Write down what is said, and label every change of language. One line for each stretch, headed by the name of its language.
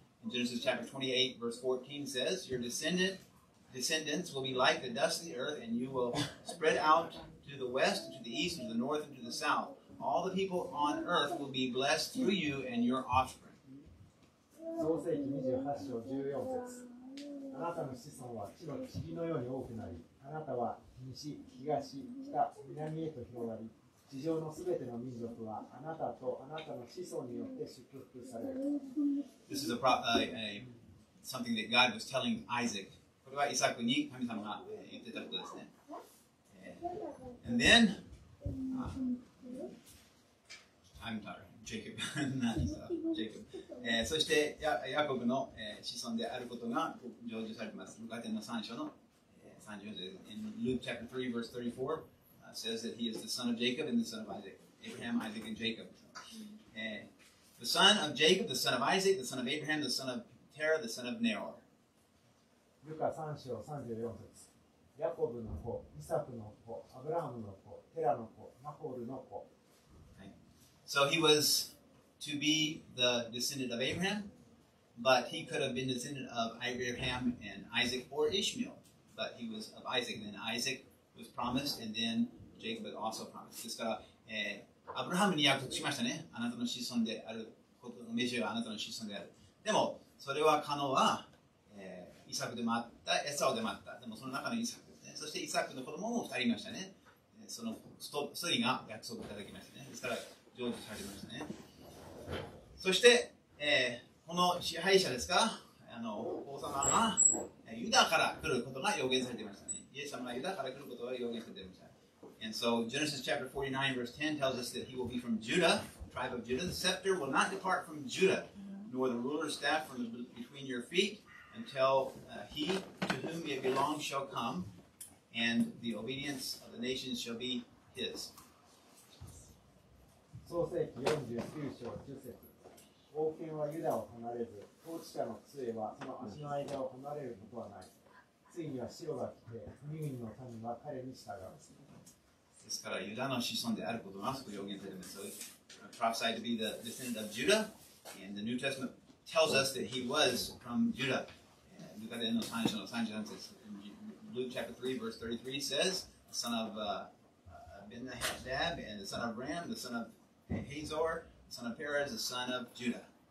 English: Genesis chapter 28 verse 14 says, Your descendants will be like the dust of the earth, and you will spread out to the west, and to the east, and to the north, and to the south. All the people on earth will be blessed through you and your offspring.
Japanese: 創世記28章14節。あなたの子孫は地の塵のように多くなり、あなたは西、東、北、南へと広がり、地上のすべての民族はあなたとあなたの子孫によって祝福される。
English: This is something that God was telling Isaac.
Japanese: これはイサクに神様が言ってたことですね。
English: And then, I'm sorry. Jacob, Jacob.
Japanese: そしてヤコブの子孫であることが成就されています。ルカ天の3章の34節。
English: In Luke chapter 3 verse 34 says that he is the son of Jacob and the son of Isaac. Abraham, Isaac, and Jacob. The son of Jacob, the son of Isaac, the son of Abraham, the son of Terah, the son of Nahor.
Japanese: ルカ3章34節。ヤコブの子、イサクの子、アブラハムの子、テラの子、ナホールの子。
English: So he was to be the descendant of Abraham, but he could have been descendant of Abraham and Isaac or Ishmael, but he was of Isaac. And then Isaac was promised, and then Jacob was also promised.
Japanese: ですから、アブラハムに約束しましたね。あなたの子孫であることの命はあなたの子孫である。でも、それは可能は、イサクでもあった、エサオでもあった。でも、その中のイサクですね。そして、イサクの子供も2人いましたね。その1人が約束いただきましたね。ですから成就されましたね。そして、この支配者ですか、王様がユダから来ることが予言されていましたね。イエス様がユダから来ることが予言されていました。
English: And so Genesis chapter 49 verse 10 tells us that he will be from Judah, tribe of Judah. The scepter will not depart from Judah, nor the ruler's staff from between your feet, until he to whom it belongs shall come, and the obedience of the nations shall be his.
Japanese: 創世記49章10節。王権はユダを離れず、統治者の杖はその足の間を離れることはない。ついには白が来て、国々の民は彼に従う。ですから、ユダの子孫であることがすごく予言されています。
English: So, prophesied to be the descendant of Judah, and the New Testament tells us that he was from Judah.
Japanese: ルカ伝の3章の33節。
English: Luke chapter 3 verse 33 says, the son of Ben-Hadab, and the son of Ram, the son ofHazor, son of Perez, the son of Judah.